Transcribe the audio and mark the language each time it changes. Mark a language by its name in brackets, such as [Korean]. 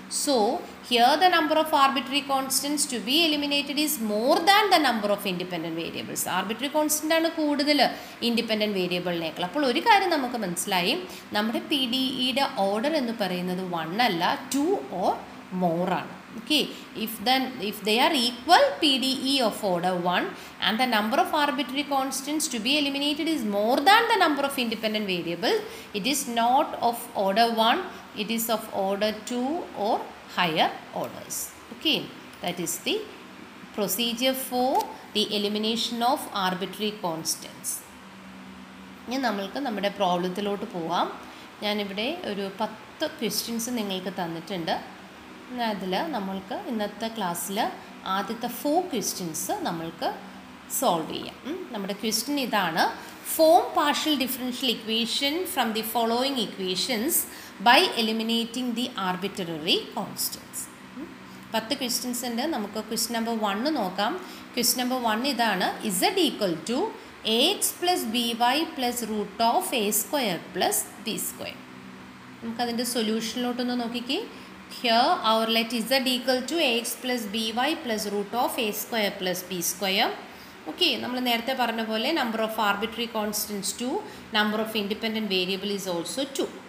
[English] So here the number of arbitrary constants to be eliminated is more than the number of independent variables. [Malayalam] Arbitrary constant ആണ് കൂടുതൽ independent വേരിയബിളിനേക്കാൾ. അപ്പോൾ ഒരു കാര്യം നമുക്ക് മനസ്സിലായി, നമ്മുടെ പി ഡി ഇയുടെ ഓർഡർ എന്ന് പറയുന്നത് 1 അല്ല, [English] 2 or more [Malayalam] ആണ്. [English] Okay, if they are equal PDE of order 1 and the number of arbitrary constants to be eliminated is more than the number of independent variables, it is not of order 1, it is of order 2 or higher orders. Okay, that is the procedure for the elimination of arbitrary constants. [Malayalam] ഇനി നമ്മൾക്ക് നമ്മുടെ പ്രോബ്ലത്തിലോട്ട് പോവാം. ഞാനിവിടെ ഒരു 10 questions നിങ്ങൾക്ക് തന്നിട്ടുണ്ട്. അതിൽ നമ്മൾക്ക് ഇന്നത്തെ ക്ലാസ്സിൽ ആദ്യത്തെ 4 ക്വസ്റ്റ്യൻസ് നമ്മൾക്ക് സോൾവ് ചെയ്യാം. നമ്മുടെ ക്വസ്റ്റ്യൻ ഇതാണ്, [English] form partial differential equation from the following equations by eliminating the arbitrary constants. 10 questions [Malayalam] ഉണ്ട് നമുക്ക് [English] question number 1 [Malayalam] നോക്കാം [English] question number 1 ഇതാണ് z equal to ax plus by plus root of a square plus b square [Malayalam] നമുക്ക് അതിന്റെ solution ലോട്ട് ഒന്ന് നോക്കിക്കി [English] here our let z equal to ax plus by plus root of a square plus b square [Malayalam] okay നമ്മൾ നേരത്തെ പറഞ്ഞ പോലെ [English] number of arbitrary constants 2 number of independent variable is also 2